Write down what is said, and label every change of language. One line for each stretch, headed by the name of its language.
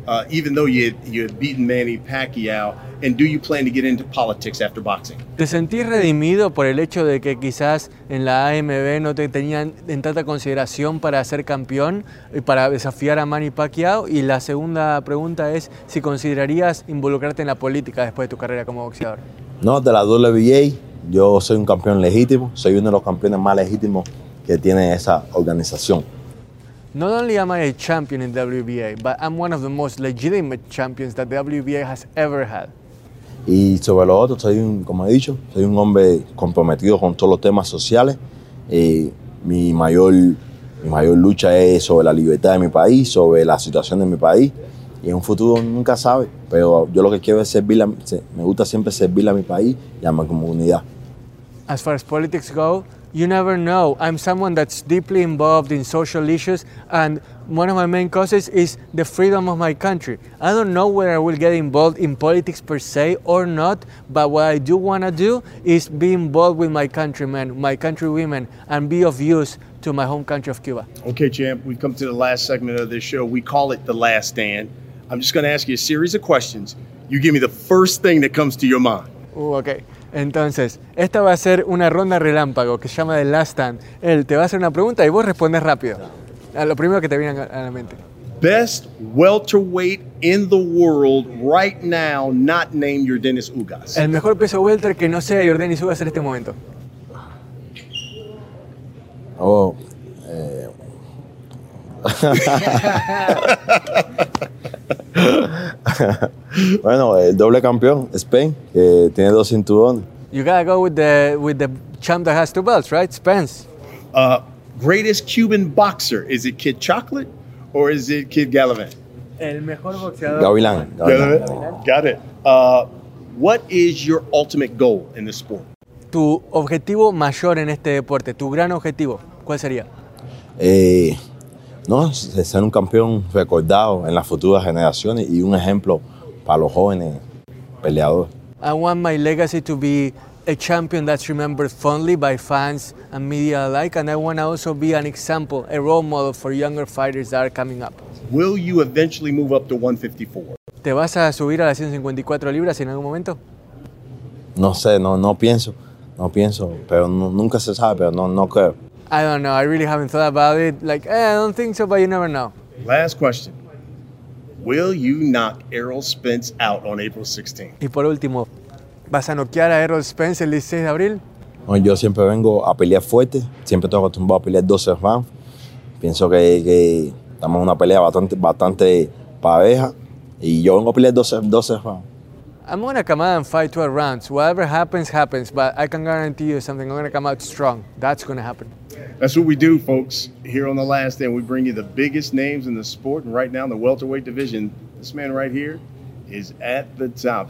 English: Even though you had beaten Manny Pacquiao, and do you plan to get into politics after boxing?
Spanish: ¿Te sentís redimido por el hecho de que quizás en la AMB no te tenían en tanta consideración para ser campeón y para desafiar a Manny Pacquiao? Y la segunda pregunta es si considerarías involucrarte en la política después de tu carrera como boxeador. No, de la WBA, yo soy un campeón legítimo, soy uno de los campeones más legítimos que tiene esa organización.
English: Not only am I a champion in WBA, but I'm one of the most legitimate champions that WBA has ever had.
Spanish: Y sobre lo otro, soy un hombre comprometido con todos los temas sociales. Mi mayor lucha es sobre la libertad de mi país, sobre la situación de mi país. Y en un futuro nunca sabe, pero yo lo que quiero es me gusta siempre servir a mi país y a mi comunidad.
English: As far as politics go, you never know. I'm someone that's deeply involved in social issues, and one of my main causes is the freedom of my country. I don't know whether I will get involved in politics per se or not, but what I do want to do is be involved with my countrymen, my countrywomen, and be of use to my home country of Cuba. Okay, champ, we've come to the last segment of this show. We call it The Last Stand. I'm just going to ask you a series of questions. You give me the first thing that comes to your mind. Ooh, okay.
Spanish: Entonces, esta va a ser una ronda relámpago que se llama The Last Stand. Él te va a hacer una pregunta y vos respondes rápido. A lo primero que te viene a la mente.
English: Best welterweight in the world right now, not named Yordenis Ugás.
Spanish: El mejor peso welter que no sea Yordenis Ugás en este momento. Bueno, el doble campeón, Spain, que tiene dos cinturones.
English: You gotta go with the champ that has two belts, right? Spence. Greatest Cuban boxer. Is it Kid Chocolate or is it Kid Galavan?
Spanish: El mejor boxeador. Gavilán.
English: Got it. What is your ultimate goal in this sport?
Spanish: Tu objetivo mayor en este deporte, tu gran objetivo, ¿cuál sería? No, ser un campeón recordado en las futuras generaciones y un ejemplo para los jóvenes peleadores.
English: I want my legacy to be a champion that's remembered fondly by fans and media alike, and I want to also be an example, a role model for younger fighters that are coming up. Will you eventually move up to 154?
Spanish: ¿Te vas a subir a las 154 libras en algún momento? No sé, no pienso, pero nunca se sabe, pero no creo.
English: I don't know, I really haven't thought about it. Like, I don't think so, but you never know. Last question. Will you knock Errol Spence out on April 16th?
Spanish: Y por último, ¿vas a noquear a Errol Spence el 16 de abril? Bueno, yo siempre vengo a pelear fuerte. Siempre estoy acostumbrado a pelear 12 rounds. Pienso que estamos en una pelea bastante pareja. Y yo vengo a pelear 12 rounds.
English: I'm going to come out and fight 12 rounds. Whatever happens, happens. But I can guarantee you something. I'm going to come out strong. That's going to happen. That's what we do, folks. Here on The Last Stand, we bring you the biggest names in the sport. And right now in the welterweight division, this man right here is at the top.